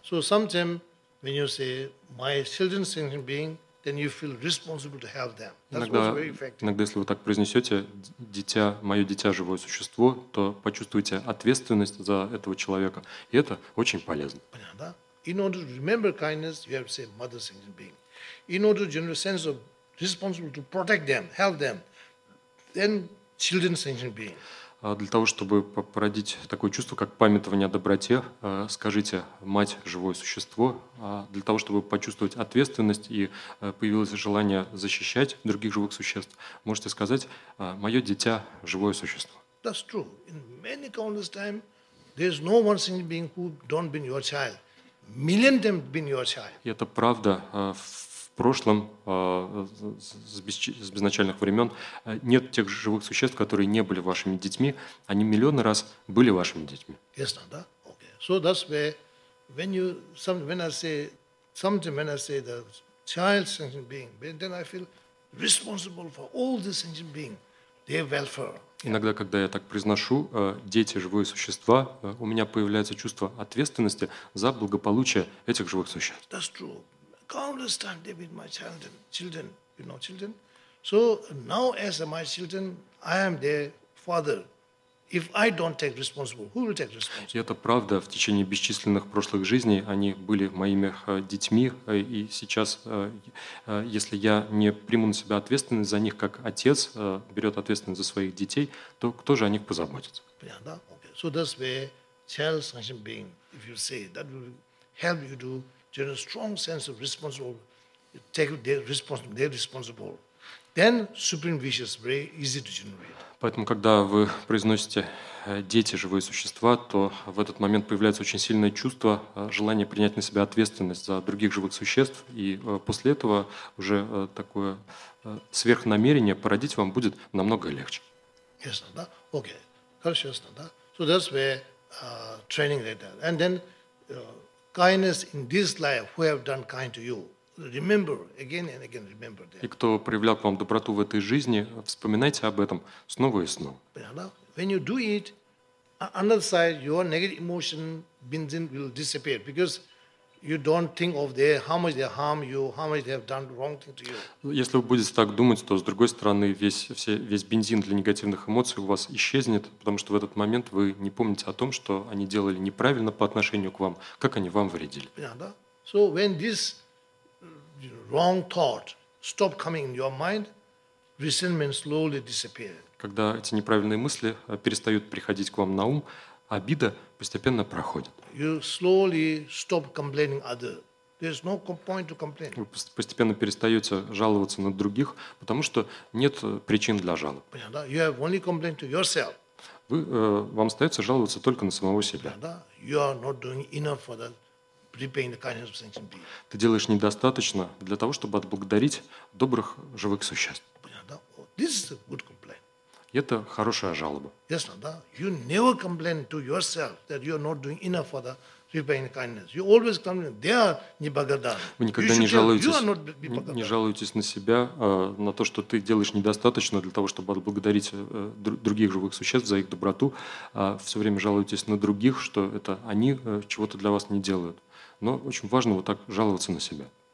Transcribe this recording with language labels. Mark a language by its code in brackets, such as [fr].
[en] So, sometimes when you say my children sentient being, then you feel responsible to help them. That's [ru] иногда, [en] what's very effective. [ru] Иногда, если вы так произнесете, дитя, мое дитя, живое существо, то почувствуете ответственность за этого человека. И это очень полезно. Понятно, да? [en] In order to remember kindness, you have to say mother sentient being. In order to generate a sense of responsible to protect them, help them, then children sentient being. [ru] Для того, чтобы породить такое чувство, как памятование о доброте, скажите «мать, живое существо». Для того, чтобы почувствовать ответственность и появилось желание защищать других живых существ, можете сказать «мое дитя, живое существо». [en] That's true. In many countless time, there's no one single being who don't been your child. Million them been your child. [ru] И это правда. В прошлом, с безначальных времен, нет тех живых существ, которые не были вашими детьми. Они миллионы раз были вашими детьми. Ясно, да? [en] Okay. So that's where, when you, when I say, sometimes when I say the child sentient being, then I feel responsible for all the sentient being, their welfare. [ru] Иногда, когда я так произношу, дети, живые существа, у меня появляется чувство ответственности за благополучие этих живых существ. [en] That's true. Countless times they've been my children, you know, children. So now as my children, I am their father. If I don't take responsible, who will take responsible? [ru] Это правда. В течение бесчисленных прошлых жизней они были моими детьми, и сейчас, если я не приму на себя ответственность за них, как отец берет ответственность за своих детей, то кто же о них позаботится? Понятно, да? [en] Okay. So that's where child sentient being, if you say, that will help you do generate a strong sense of responsibility, take they're responsible, then supreme wishes very easy to generate. [ru] Поэтому, когда вы произносите «дети, живые существа», то в этот момент появляется очень сильное чувство, желание принять на себя ответственность за других живых существ, и после этого уже такое сверхнамерение породить вам будет намного легче. Ясно, да? Окей. Хорошо, ясно, да? [en] So that's where training like that. And then, kindness in this life, who have done kind to you, remember again and again, remember that. [ru] И кто проявлял к вам доброту в этой жизни, вспоминайте об этом снова и снова. [en] When you do it, on the other side, your negative emotion will disappear because you don't think of their how much they harm you, how much they have done wrong thing to you. [ru] Если вы будете так думать, то с другой стороны весь бензин для негативных эмоций у вас исчезнет, потому что в этот момент вы не помните о том, что они делали неправильно по отношению к вам, как они вам вредили. [en] Yeah, да? So when this wrong thought stop coming in your mind, resentment slowly disappears. [ru] Когда эти неправильные мысли перестают приходить к вам на ум, обида постепенно проходит. [en] You slowly stop complaining other. There's no point to complain. [ru] Вы постепенно перестаете жаловаться на других, потому что нет причин для жалоб. Понятно, да? [en] You have only complained to yourself. [ru] Вам остается жаловаться только на самого себя. Понятно, да? [en] You are not doing enough for that repaying the kindness of sentient beings. [ru] Ты делаешь недостаточно для того, чтобы отблагодарить добрых живых существ. [en] This is a good complaint. [ru] Это хорошая жалоба. [en] Yes, no, да? You never complain to yourself that you are not doing enough for the repaying the kindness. You always complain they are [ru] неблагодарны. Вы никогда не жалуетесь на себя, на то, что ты делаешь недостаточно для того, чтобы отблагодарить других живых существ за их доброту, а все время жалуетесь на других, что это они чего-то для вас не делают. Но очень важно вот так жаловаться на себя.